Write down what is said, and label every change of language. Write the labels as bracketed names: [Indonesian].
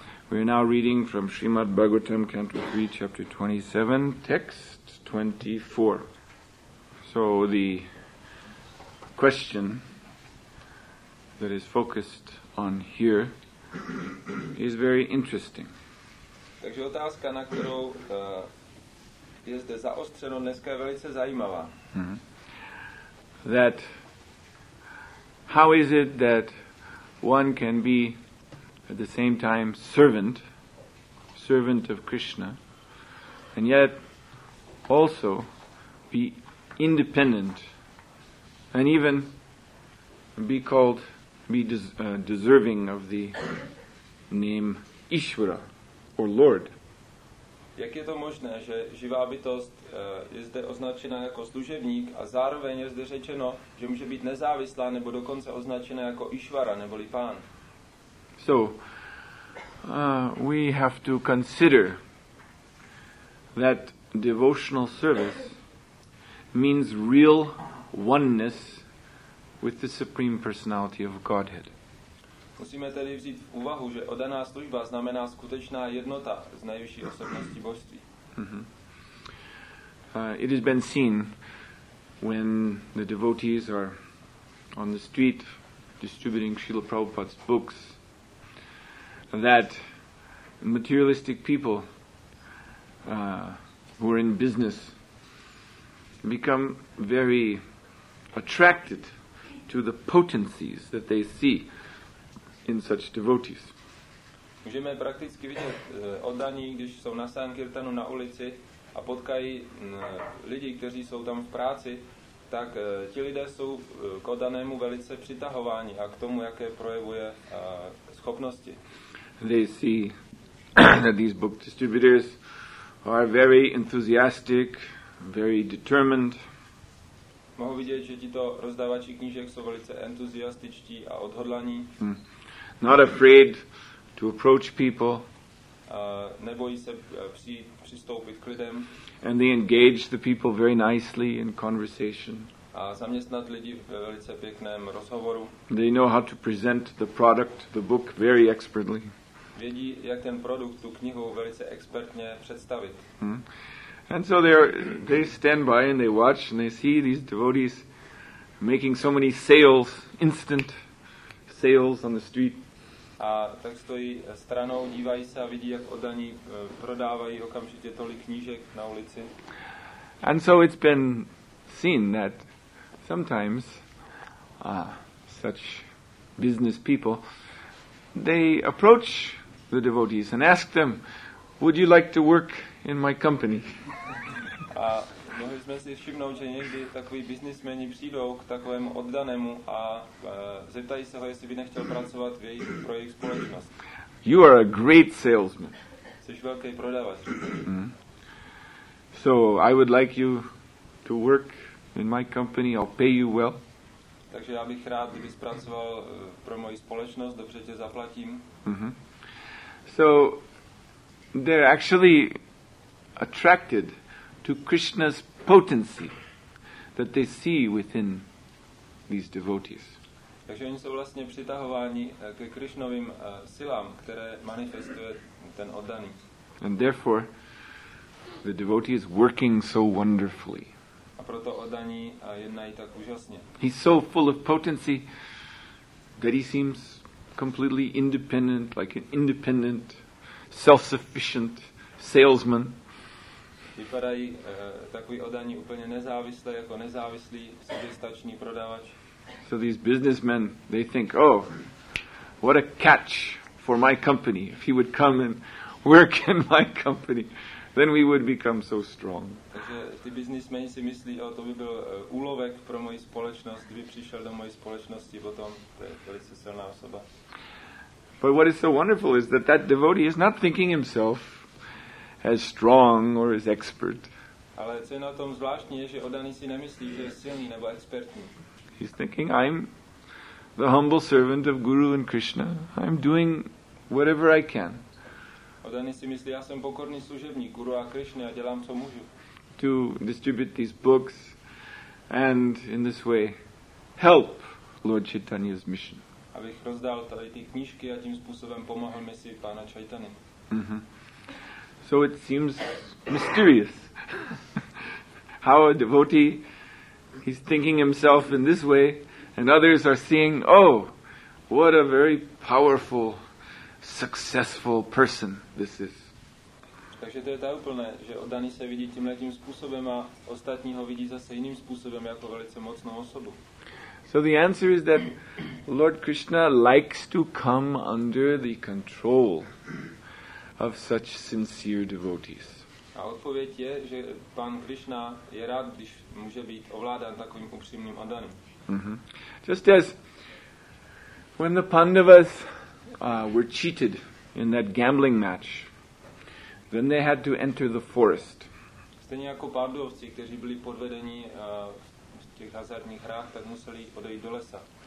[English] We are now reading from Srimad Bhagavatam, Canto 3, Chapter 27, Text 24. So the question that is focused on here is very interesting. [Czech] Takže otázka, na kterou je zde zaostřeno dneska, je velice zajímavá. [English] That how is it that one can be at the same time servant of Krishna, and yet also be independent and even be called deserving of the name Ishvara or Lord. [Czech] Jak je to možné, že živá bytost je zde označena jako služebník a zároveň je zde řečeno, že může být nezávislá nebo dokonce označena jako Ishvara neboli pán? [English] So we have to consider that devotional service means real oneness with the Supreme Personality of Godhead. [Czech] Musíme tedy vzít v úvahu, že oddaná služba znamená skutečná jednota s nejvyšší osobností božství. [English] It has been seen when the devotees are on the street distributing Srila Prabhupada's books that materialistic people who are in business become very attracted to the potencies that they see in such devotees. [Czech] Můžeme prakticky vidět oddaní, když jsou na sankirtanu na ulici a potkají lidi, kteří jsou tam v práci, tak ti lidé jsou k oddanému velice přitahováni a k tomu, jaké projevuje schopnosti. [English] They see that these book distributors are very enthusiastic, very determined. [Czech] Mohu vidět, že tito rozdávači knížek jsou velice entuziastičtí a odhodlaní. [English] Not afraid to approach people. [Czech] Nebojí se přistoupit k lidem. [English] And they engage the people very nicely in conversation. [Czech] A zaměstnat lidi ve velice pěkném rozhovoru. [English] They know how to present the product, the book, very expertly. [Czech] Vědí, jak ten produkt, tu knihu velice expertně představit. [English] And so they stand by and they watch and they see these devotees making so many sales, instant sales on the street. [Czech] A tak stojí stranou, dívají se a vidí, jak oddaní prodávají okamžitě tolik knížek na ulici. [English] And so it's been seen that sometimes such business people, they approach the devotees and ask them, would you like to work in my company? [Czech] A mohli jsme si všimnout, že někdy takový biznismeni přijdou k takovému oddanému a zeptají se ho, jestli by nechtěl pracovat v jejich, pro jejich společnost. [English] You are a great salesman. [Czech] Jsi velký prodavač. [English] So I would like you to work in my company, I'll pay you well. [Czech] Takže já bych rád, kdybys pracoval pro moji společnost, dobře tě zaplatím. [English] So they're actually attracted to Krishna's potency that they see within these devotees. [Czech] Takže oni jsou vlastně přitahováni ke Krishnovým silám, které manifestuje ten oddaný. [English] And therefore the devotee is working so wonderfully. [Czech] A proto oddaní jednají tak úžasně. [English] He's so full of potency that he seems completely independent, like an independent, self-sufficient salesman. [Czech] Vypadají takový oddaní úplně nezávislé, jako nezávislý, soběstačný prodavač. [English] So these businessmen, they think, oh, what a catch for my company, if he would come and work in my company, then we would become so strong. [Czech] Takže ty businessmeni si myslí, o to by byl úlovek pro moji společnost, kdyby přišel do mojej společnosti potom, to je velice silná osoba. [English] But what is so wonderful is that that devotee is not thinking himself as strong or as expert. [Czech] Ale co je na tom zvláštní, je, že oddaný si nemyslí, že je silný nebo expertní. [English] He's thinking, I'm the humble servant of Guru and Krishna. I'm doing whatever I can. [Czech] Oddaný si myslí, já jsem pokorný služebník Guru a Krishna a dělám, co můžu. [English] To distribute these books and in this way help Lord Chaitanya's mission. [Czech] Abych rozdal tady ty knížky a tím způsobem pomohl misi pána Chaitany. [English] So it seems mysterious how a devotee, he's thinking himself in this way, and others are seeing, oh, what a very powerful, successful person this is. [Czech] Takže to je ta úplné, že oddaný se vidí tímhle tím způsobem a ostatní ho vidí zase jiným způsobem jako velice mocnou osobu. [English] So the answer is that Lord Krishna likes to come under the control of such sincere devotees. [Czech] A odpověď je, že pan Krishna je rád, když může být ovládán takovým upřímným oddaným. [English] Just as when the Pandavas were cheated in that gambling match, then they had to enter the forest. [Czech] Stejně jako Pandavci, kteří byli podvedeni v těch hazardních hrách, tak museli odejít do lesa.